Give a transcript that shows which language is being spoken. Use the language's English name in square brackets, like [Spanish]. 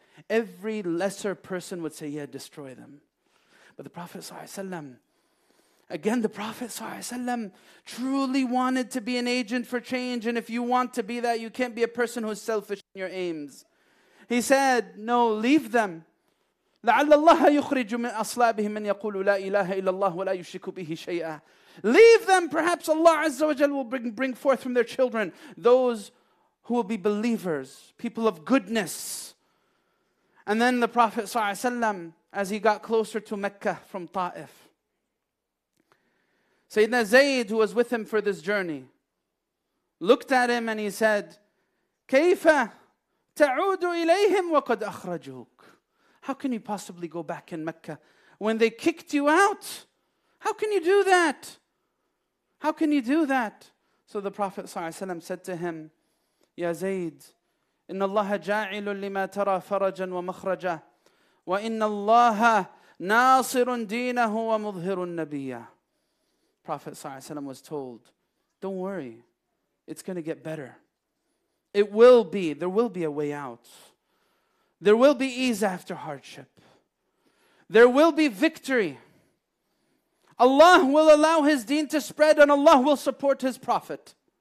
[English] Every lesser person would say, yeah, destroy them. But the Prophet ﷺ, again, the Prophet ﷺ truly wanted to be an agent for change. And if you want to be that, you can't be a person who's selfish in your aims. He said, no, leave them. [Arabic] لعل الله يخرج من أصلابهم من يقول لا إله إلا الله ولا يشرك به شيئا. [English] Leave them, perhaps Allah Azza wa Jal will bring forth from their children those who will be believers, people of goodness. And then the Prophet Sallallahu Alaihi Wasallam, as he got closer to Mecca from Ta'if, Sayyidina Zayd, who was with him for this journey, looked at him and he said, [Arabic] كَيْفَ تَعُودُ إِلَيْهِمْ وَقَدْ أَخْرَجُوكَ. [English] How can you possibly go back in Mecca when they kicked you out? How can you do that? How can you do that? So the Prophet ﷺ said to him, Ya Zayd, [Arabic] إِنَّ اللَّهَ جَاعِلٌ لِمَا تَرَى فَرَجًا وَمَخْرَجًا وَإِنَّ اللَّهَ نَاصِرٌ دِينَهُ وَمُظْهِرٌ نَبِيًّا. [English] Prophet ﷺ was told, don't worry, it's going to get better. It will be, there will be a way out. There will be ease after hardship. There will be victory. Allah will allow His deen to spread and Allah will support His Prophet.